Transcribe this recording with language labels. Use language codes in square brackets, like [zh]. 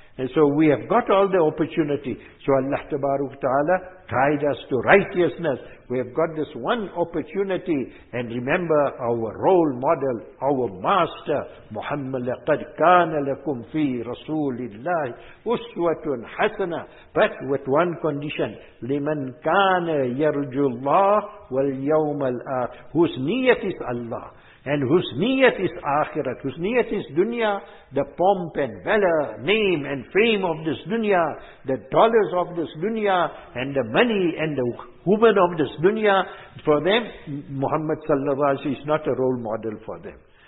[en] And so we have got all the opportunity. So Allah Ta'ala guide us to righteousness. We have got this one opportunity. And remember our role model, our master, Muhammad, [ar] لَقَدْ كَانَ لَكُمْ فِي رَسُولِ اللَّهِ أُسْوَةٌ حَسَنَةٌ. [en] But with one condition, [ar] لِمَنْ كَانَ يَرْجُ اللَّهِ وَالْيَوْمَ الْآخِرِ. [en] Whose niyat is Allah. And whose niyat is akhirat, whose niyat is dunya, the pomp and valor, name and fame of this dunya, the dollars of this dunya, and the money and the woman of this dunya, for them, Muhammad sallallahu alaihi wasallam is not a role model for them.